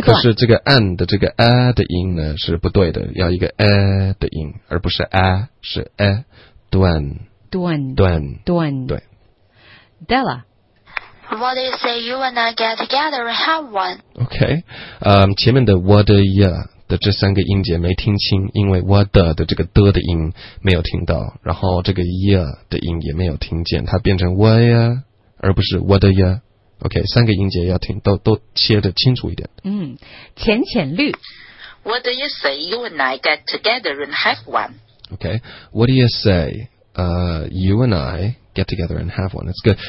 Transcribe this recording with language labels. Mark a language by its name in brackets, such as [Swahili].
[Chinese] 断。可是这个 an 的这个 a 的音呢是不对的，要一个 a 的音，而不是 a 是 a 断。断对，Della。 [English] What do you say? You and I get together and have one. [Chinese] Okay， 前面的 [English] what do you [Chinese] 的这三个音节没听清，因为 what 的这个的的音没有听到，然后这个 year 的音也没有听见，它变成 where 而不是 [English] what a year。 [Chinese] OK， 三个音节要听都切得清楚一点。嗯，浅浅绿。 [English] What do you say you and I get together and have one? OK, what do you say you and I get together and have one? That's good.